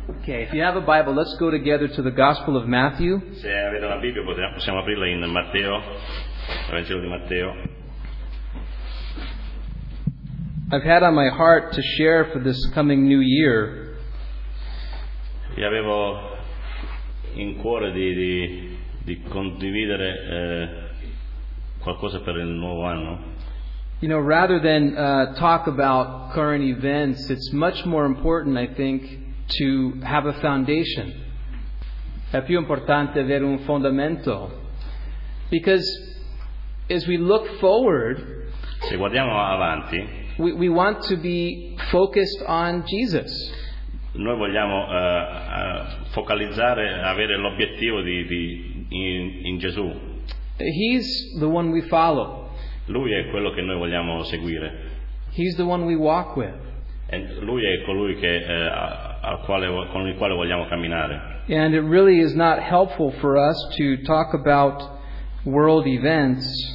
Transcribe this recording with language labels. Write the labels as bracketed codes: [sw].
[en] Okay, if you have a Bible, let's go together to the Gospel of Matthew. [it] Se avete la Bibbia, possiamo aprirla in Matteo, il Vangelo di Matteo. [en] I've had on my heart to share for this coming new year. [it] Io avevo in cuore di condividere qualcosa per il nuovo anno. [en] You know, rather than talk about current events, it's much more important, I think, to have a foundation. [it] È più importante avere un fondamento. [en] Because as we look forward, [it] se guardiamo avanti, [en] we want to be focused on Jesus. [it] Noi vogliamo focalizzare, avere l'obiettivo in Gesù. [en] He's the one we follow. [it] Lui è quello che noi vogliamo seguire. [en] He's the one we walk with. [it] E lui è colui che con il quale vogliamo camminare. [en] And it really is not helpful for us to talk about world events.